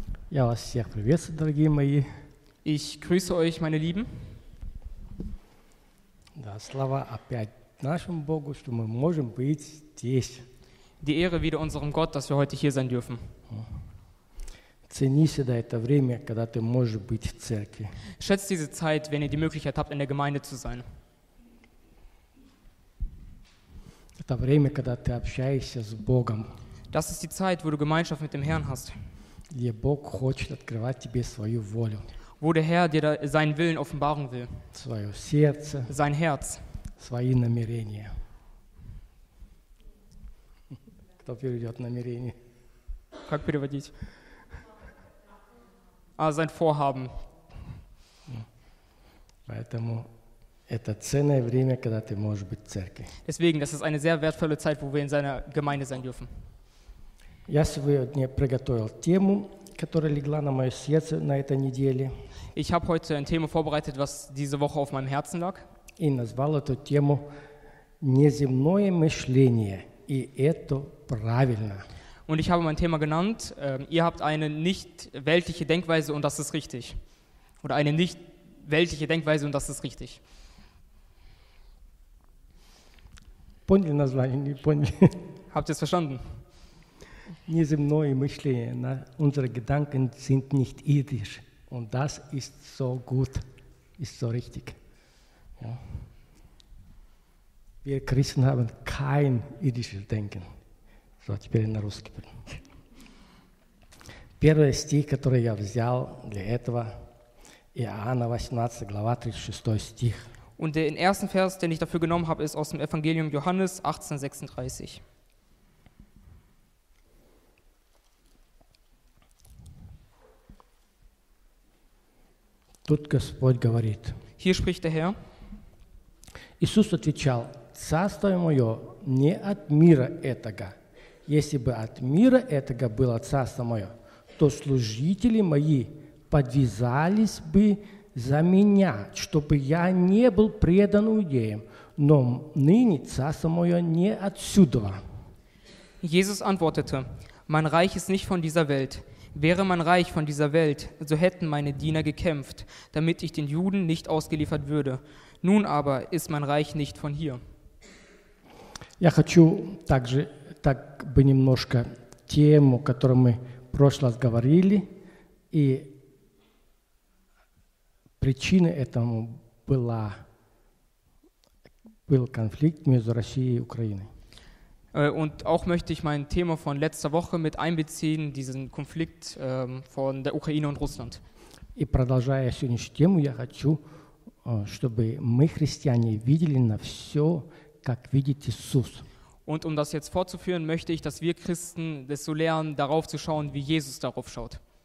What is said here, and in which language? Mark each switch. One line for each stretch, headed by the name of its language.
Russian: Я вас всех приветствую, дорогие мои.
German: Ich grüße euch, meine Lieben.
Russian: Да, слава опять нашему Богу, что мы можем быть здесь.
German: Die Ehre wieder unserem Gott, dass wir heute hier sein dürfen.
Russian: Цени себя это время, когда ты можешь быть в церкви.
German: Schätzt diese Zeit, wenn ihr die Möglichkeit habt, in der Gemeinde zu sein.
Russian: Это время, когда ты общаешься с Богом.
German: Das ist die Zeit, wo du Gemeinschaft mit dem Herrn hast.
Russian: Где Бог хочет открывать тебе свою волю.
German: Wo der Herr dir seinen Willen offenbaren will.
Russian: Свое сердце.
German: Sein Herz.
Russian: Свои намерения. Кто переведет намерение? Как переводить?
German: А, sein Vorhaben.
Russian: Поэтому это ценное время, когда ты можешь быть в церкви.
German: Deswegen, das ist eine sehr wertvolle Zeit, wo wir in seiner Gemeinde sein dürfen.
Russian: Я сегодня приготовил тему, которая легла на мое сердце на этой неделе.
German: Ich habe heute ein Thema vorbereitet, was diese Woche auf meinem Herzen lag.
Russian: И назвал эту тему «Неземное мышление», и это правильно.
German: Und ich habe mein Thema genannt, ihr habt eine nicht-weltliche Denkweise und das ist richtig. Oder eine nicht-weltliche Denkweise und das ist richtig.
Russian: Поняли название? Не поняли.
German: Habt ihr es verstanden?
Russian: Неземное мышление,
German: unsere Gedanken sind nicht irdisch. Und das ist so gut, ist so richtig. Ja. Wir Christen haben kein irdisches Denken.
Russian: So, теперь на русский. Первый стих, который я взял для этого, Иоанна 18, глава 36 стих.
German: Und der erste Vers, den ich dafür genommen habe, ist aus dem Evangelium Johannes 18, 36.
Russian: Тут Господь говорит.
German: Hier spricht der Herr.
Russian: Иисус отвечал: «Царство мое не от мира этого. Если бы от мира этого было царство мое, то служители мои подвязались бы за меня, чтобы я не был предан иудеям. Но ныне царство мое не отсюда».
German: Jesus antwortete: «Mein Reich ist nicht von dieser Welt. Wäre mein Reich von dieser Welt, so hätten meine Diener gekämpft, damit ich den Juden nicht ausgeliefert würde. Nun aber ist mein Reich nicht von hier.
Russian: Я хочу также так бы немножко тему, которую мы в прошлый раз говорили, и причина этому была был конфликт между Россией и Украиной.
German: Und auch möchte ich mein Thema von letzter Woche mit einbeziehen, diesen Konflikt von der Ukraine und Russland.
Russian: И продолжая сегодняшнюю тему, я хочу, чтобы мы, христиане, видели на все, как видит Иисус.
German: Und um das jetzt fortzuführen, möchte ich, dass wir Christen das so lernen, darauf zu schauen, wie Jesus darauf schaut.